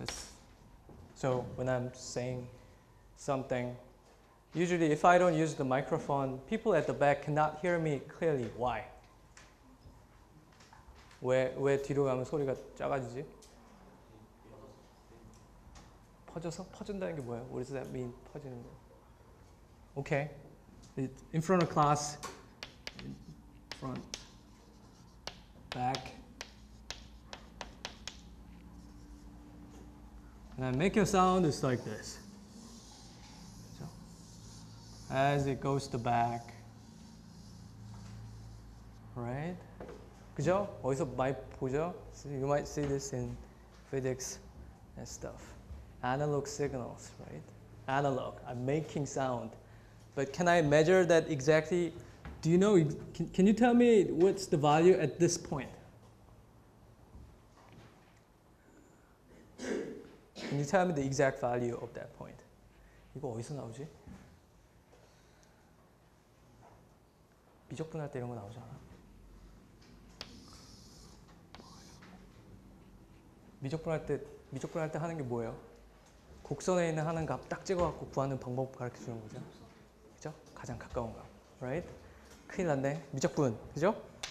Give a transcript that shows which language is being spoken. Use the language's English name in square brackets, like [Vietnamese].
[English] It's, so when I'm saying something, usually if I don't use the microphone, people at the back cannot hear me clearly. Why? [Korean] 왜 뒤로 가면 소리가 작아지지? 퍼져서? 퍼진다는 게 뭐야? [English] What does that mean? [Korean] 퍼지는 거. Okay. [English] In front of class. In front. Back. And I make a sound, it's like this. So, as it goes to back. [Korean] Right? 그죠? 어디서 많이 보죠? [English] So you might see this in physics and stuff. Analog signals, right? Analog, I'm making sound. But can I measure that exactly? Do you know, can you tell me what's the value at this point? Can you tell me the exact value of that point? [Korean] 이거 어디서 나오지? 미적분할 때 이런 거 나오잖아. 미적분할 때 하는 게 뭐예요? 곡선에 있는 하는 값 딱 찍어갖고 구하는 방법 가르쳐 주는 거죠. 그죠? 가장 가까운 값. Right? 큰일 났네. 미적분. 그죠?